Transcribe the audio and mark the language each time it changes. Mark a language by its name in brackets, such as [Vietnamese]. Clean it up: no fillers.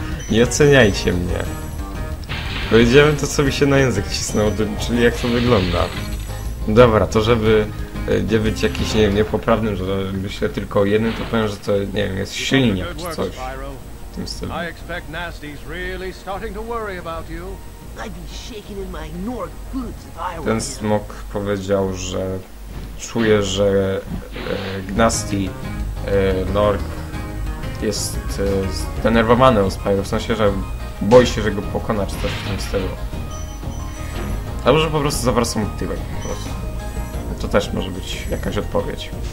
[Polish] Nie oceniajcie mnie. Powiedziałem to, co mi się na język cisnęło, czyli jak to wygląda. Dobra, to żeby nie być jakimś, nie wiem, niepoprawnym, że myślę tylko o jednym, to powiem, że to, nie wiem, jest silnik czy coś. W tym stylu. [English] I expect Nasty's really starting to worry about you. I'd be shaking in my Nord boots if I were. [Polish] Ten smok powiedział, że czuje, że Gnasty Nord jest zdenerwowany o Spyro, w sensie, że boi się, że go pokona czy coś w tym stylu. Albo że po prostu zawarł mu tyłek po prostu. To też może być jakaś odpowiedź.